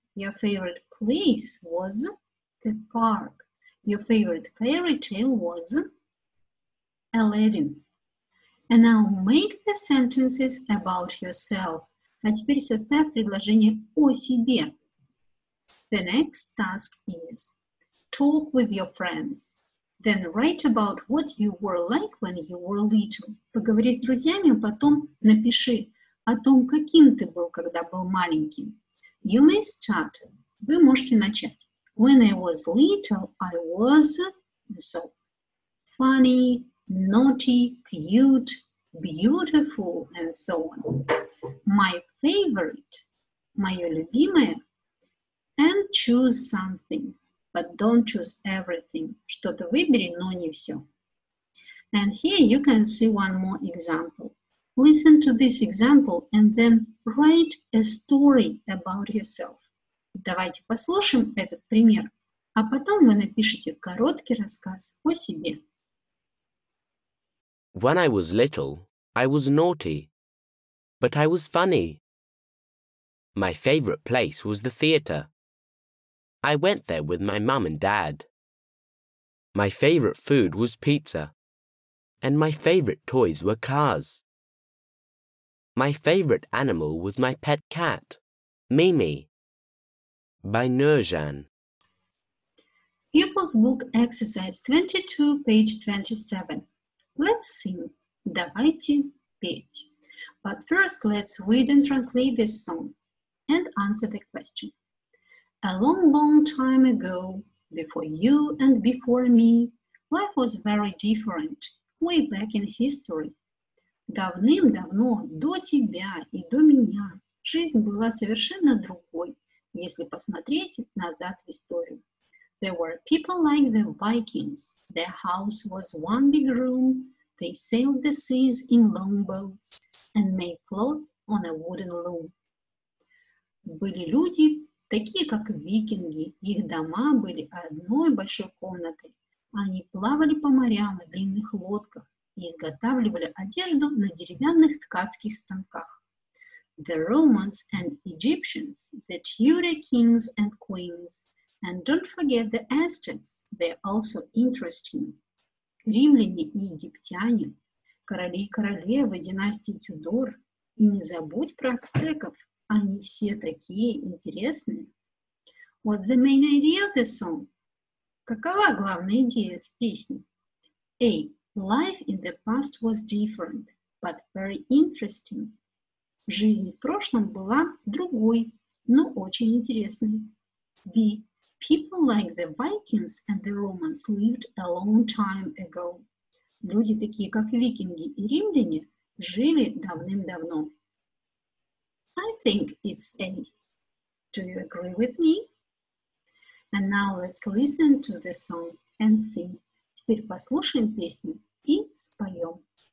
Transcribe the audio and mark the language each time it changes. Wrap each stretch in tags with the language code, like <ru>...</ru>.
<en>Your favorite place was the park. Your favorite fairy tale was Aladdin. And now make the sentences about yourself.</en> <ru>А теперь составь предложение о себе.</ru> <en>The next task is talk with your friends. Then write about what you were like when you were little.</en> <ru>Поговори с друзьями, потом напиши о том, каким ты был, когда был маленьким.</ru> <en>You may start.</en> <ru>Вы можете начать.</ru> <en>When I was little, I was so funny, naughty, cute, beautiful, and so on. My favorite,</en> <ru>моё любимое,</ru> <en>and choose something, but don't choose everything.</en> <ru>Что-то выбери, но не всё.</ru> <en>And here you can see one more example. Listen to this example and then write a story about yourself.</en> <ru>Давайте послушаем этот пример, а потом вы напишите короткий рассказ о себе.</ru> <en>When I was little, I was naughty, but I was funny. My favorite place was the theater. I went there with my mum and dad. My favorite food was pizza, and my favorite toys were cars. My favorite animal was my pet cat, Mimi. By Nurjan. Pupil's book exercise 22, page 27. Let's sing.</en> <ru>Давайте петь.</ru> <en>But first, let's read and translate this song and answer the question. A long, long time ago, before you and before me, life was very different, way back in history.</en> <ru>Давным-давно, до тебя и до меня, жизнь была совершенно другой. Если посмотреть назад в историю.</ru> <en>There were people like the Vikings. Their house was one big room. They sailed the seas in long boats and made cloth on a wooden loom.</en> <ru>Были люди, такие как викинги. Их дома были одной большой комнатой. Они плавали по морям на длинных лодках и изготавливали одежду на деревянных ткацких станках.</ru> <en>The Romans and Egyptians, the Tudor kings and queens, and don't forget the Aztecs, they're also interesting.</en> <ru>Римляне и египтяне, короли и королевы династии Тюдор, и не забудь про ацтеков, они все такие интересные.</ru> <en>What's the main idea of the song?</en> <ru>Какова главная идея этой песни?</ru> <en>A. Life in the past was different, but very interesting.</en> <ru>Жизнь в прошлом была другой, но очень интересной.</ru> <en>B. People like the Vikings and the Romans lived a long time ago.</en> <ru>Люди такие, как викинги и римляне, жили давным-давно.</ru> <en>I think it's A. Do you agree with me? And now let's listen to the song and sing.</en> <ru>Теперь послушаем песню и споем.</ru>